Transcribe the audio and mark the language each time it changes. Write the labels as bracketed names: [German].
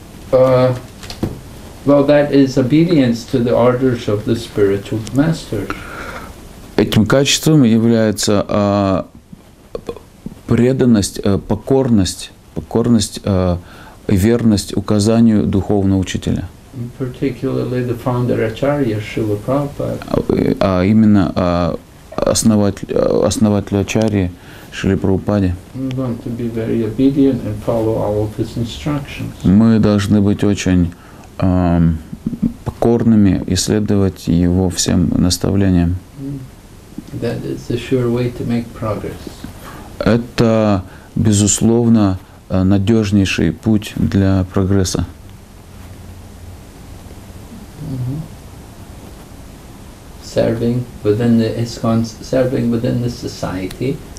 [English] Well, that is obedience to the orders of the spiritual master. [Russian] Этим качеством является преданность, покорность, верность указанию духовного учителя. [English] Particularly the founder Acharya Srila Prabhupada. [Russian] Именно основатель Ачарьи Шри Прабхупаде. [English] We want to be very obedient and follow all of his instructions. [Russian] Мы должны быть очень покорными и следовать его всем наставлениям. [English] That is a sure way to make progress. [Russian] Это, безусловно, надежнейший путь для прогресса. [English] Serving within the society.